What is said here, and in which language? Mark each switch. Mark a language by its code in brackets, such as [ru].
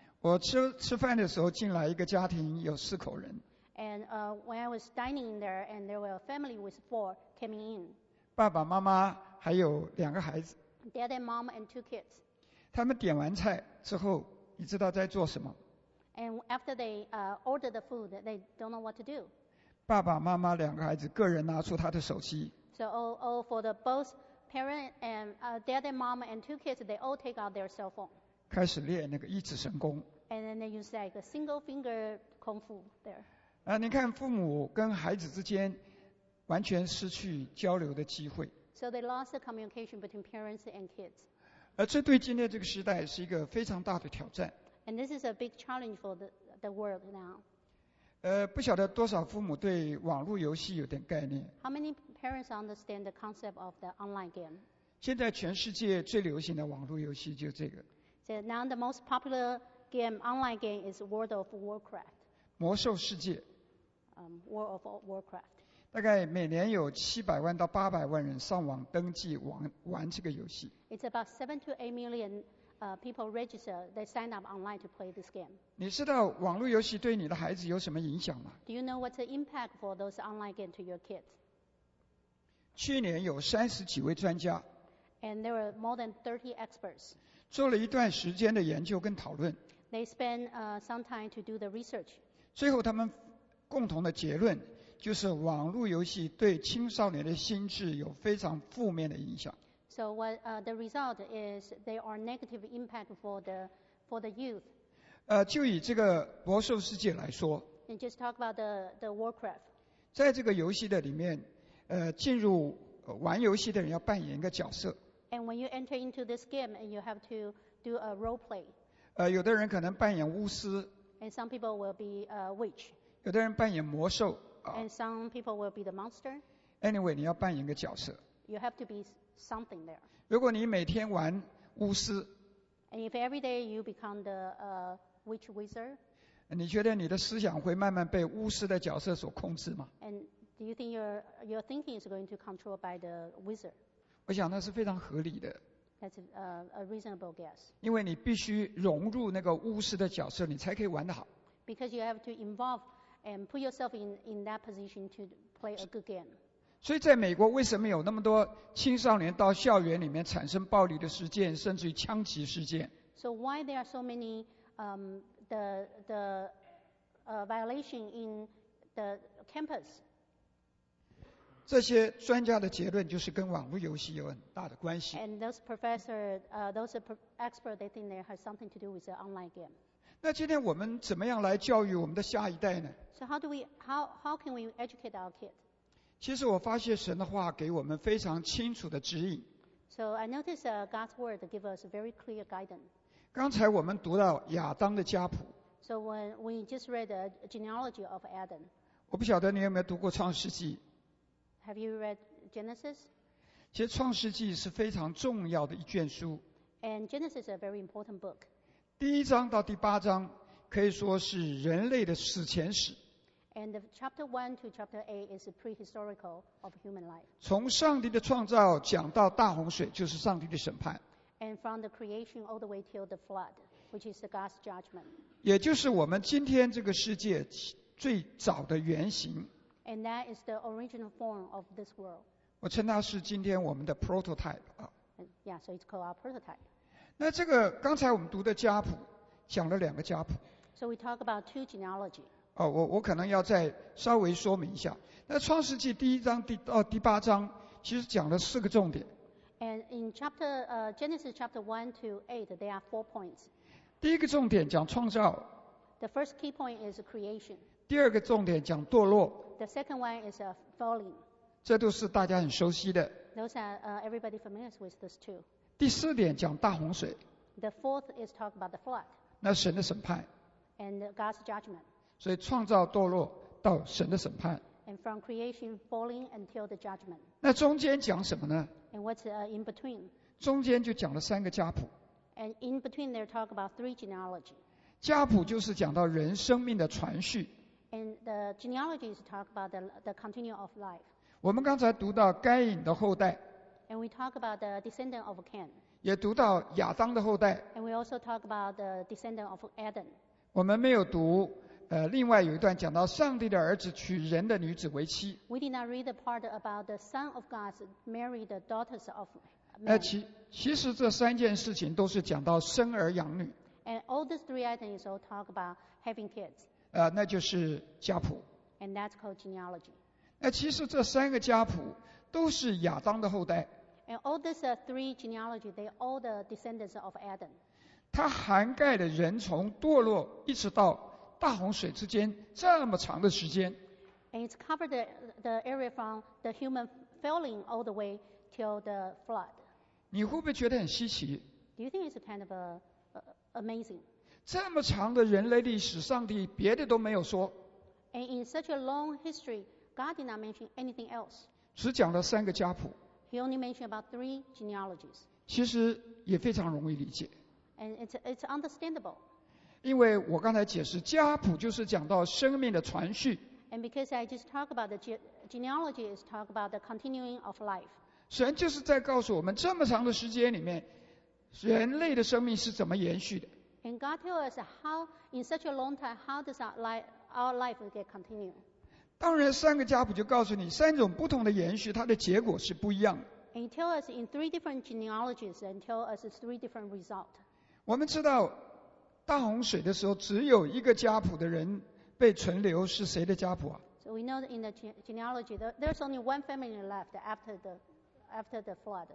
[zh] 我吃饭的时候进来一个家庭有四口人。 [en] And when I was dining there, and there were a family with four coming in. [zh] 爸爸妈妈还有两个孩子。 [en] Dad and mom and two kids. [zh] 他们点完菜之后，你知道在做什么？ [en] And after they order the food, they don't know what to do. [zh] 爸爸妈妈两个孩子个人拿出他的手机。 [en] So all for the both parents and dad and mom and two kids, they all take out their cell phone. [zh] 开始练那个一指神功。 [en] And then they use like a single finger kung fu there. [zh] 你看父母跟孩子之间完全失去交流的机会。 [en] So they lost the communication between parents and kids. [zh] 这对今天这个时代是一个非常大的挑战。 [en] And this is a big challenge for the world now. [zh] 不晓得多少父母对网络游戏有点概念。 [en] How many parents understand the concept of the online game? [zh] 现在全世界最流行的网络游戏就这个。 [en] So now the most popular game, online game, is World of Warcraft. [zh] 魔兽世界。 [en] World of Warcraft. [zh] 大概每年有700万到800万人上网登记玩这个游戏。 [en] It's about 7 to 8 million. People register, they sign up online to play this game. [zh] 你知道网络游戏对你的孩子有什么影响吗？ [en] Do you know what's the impact for those online games to your kids? [zh] 去年有30几位专家。 [en] And there were more than 30 experts. [zh] 做了一段时间的研究跟讨论。 [en] They spent some time to do the research. [zh] 最后他们共同的结论就是网络游戏对青少年的心智有非常负面的影响。 [en] So what the result is they are negative impact for the youth. [zh] 就以这个魔兽世界来说。 [en] And just talk about the Warcraft. [zh] 在这个游戏的里面，进入玩游戏的人要扮演一个角色。 [en] And when you enter into this game, and you have to do a role play. [zh] 有的人可能扮演巫师。 [en] And some people will be a witch. [zh] 有的人扮演魔兽。 [en] And some people will be the monster. [zh] Anyway, 你要扮演一个角色。 [en] You have to be something there. [zh] 如果你每天玩巫师， [en] and if every day you become the witch wizard, [zh] 你觉得你的思想会慢慢被巫师的角色所控制吗？ [en] And do you think your thinking is going to be controlled by the wizard? [zh] 我想那是非常合理的。 [en] That's a reasonable guess. [zh] 因为你必须融入那个巫师的角色，你才可以玩得好。 [en] Because you have to involve and put yourself in that position to play a good game. [zh] 所以在美国为什么有那么多青少年到校园里面产生暴力的事件甚至于枪击事件？ [en] So why there are so many violation in the campus? [zh] 这些专家的结论就是跟网络游戏有很大的关系。 [en] And those professor, those expert, they think they have something to do with the online game. [zh] 那今天我们怎么样来教育我们的下一代呢？ [en] So how can we educate our kids? [zh] 其实我发现神的话给我们非常清楚的指引。 [en] So I noticed God's word give us very clear guidance. [zh] 刚才我们读到亚当的家谱。 [en] So when we just read the genealogy of Adam. [zh] 我不晓得你有没有读过创世纪。 [en] Have you read Genesis? [zh] 其实创世纪是非常重要的一卷书。 [en] And Genesis is a very important book. [zh] 第一章到第八章可以说是人类的史前史。 [en] And chapter 1 to chapter 8 is prehistorical of human life. [zh] 从上帝的创造讲到大洪水就是上帝的审判。 [en] And from the creation all the way till the flood, which is the God's judgment. [zh] 也就是我们今天这个世界最早的原型。 [en] And that is the original form of this world. [zh] 我称它是今天我们的 prototype. [en] Yeah, so it's called our prototype. [zh] 那这个刚才我们读的家谱讲了两个家谱。 [en] So we talk about two genealogy. [zh] 我可能要再稍微说明一下。那创世纪第一章到第八章其实讲了四个重点。 [en] And in Genesis chapter 1 to 8, there are four points. [zh] 第一个重点讲创造。 [en] The first key point is creation. [zh] 第二个重点讲堕落。 [en] The second one is falling. [zh] 这都是大家很熟悉的。 [en] Those are everybody familiar with those two. [zh] 第四点讲大洪水。 [en] The fourth is talk about the flood. [zh] 那神的审判。 [en] And God's judgment. [zh] 所以创造堕落到神的审判。 [en] And from creation falling until the judgment. [zh] 那中间讲什么呢？ [en] And what's in between? [zh] 中间就讲了三个家谱。 [en] And in between they talk about three genealogy. [zh] 家谱就是讲到人生命的传续。 [en] And the genealogy is talk about the continue of life. [zh] 我们刚才读到该隐的后代。 [en] And we talk about the descendant of Cain. [zh] 也读到亚当的后代。 [en] And we also talk about the descendant of Adam. [zh] 我们没有读另外有一段讲到上帝的儿子娶人的女子为妻。 [en] We did not read the part about the son of God marry the daughters of man. [zh] 其实这三件事情都是讲到生儿养女。 [en] And all these three items all talk about having kids. [zh] 那就是家谱。 [en] And that's called genealogy. [zh] 那其实这三个家谱都是亚当的后代。 [en] And all these three genealogy, they all the descendants of Adam. [zh] 它涵盖了人从堕落一直到大洪水之间这么长的时间。 [en] And it's covered the area from the human falling all the way till the flood. [zh] 你会不会觉得很稀奇？ [en] Do you think it's kind of amazing? [zh] 这么长的人类历史，上帝别的都没有说。 [en] And in such a long history, God did not mention anything else. [zh] 只讲了三个家谱。 [en] He only mentioned about three genealogies. [zh] 其实也非常容易理解。 [en] And it's understandable. [zh] 因为我刚才解释家谱就是讲到生命的传续。 [en] And because I just talk about the genealogy is talk about the continuing of life. [zh] 神就是在告诉我们这么长的时间里面人类的生命是怎么延续的。 [en] And God tells us how in such a long time how does our life get continued. [zh] 当然三个家谱就告诉你三种不同的延续它的结果是不一样的。 [en] And he tells us in three different genealogies and tells us three different results. [zh] 我们知道大洪水的时候，只有一个家谱的人被存留，是谁的家谱啊 [en] ？So we know in the genealogy, there's only one family left after the flood.